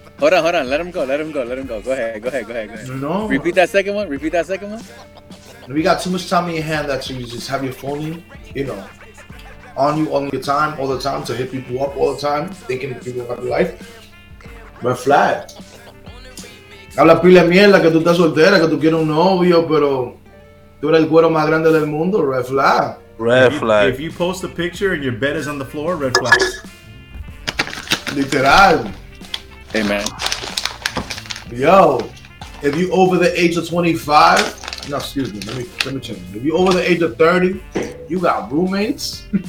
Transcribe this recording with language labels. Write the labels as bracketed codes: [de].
[en] Hold on. Let him go. Go ahead. No. Repeat that second one. If you got too much time in your hand that you just have your phone, on you all your time, all the time, to hit people up all the time, thinking that people have your life, red flag. [es] Habla pila mierda, que tú estás soltera, que tú quieres un novio, pero tú eres el cuero más grande del mundo, [en] red flag. If you post a picture and your bed is on the floor, red flag. Literal. Hey, man. Yo, if you over the age of 25, no, excuse me, let me change. If you over the age of 30, you got roommates.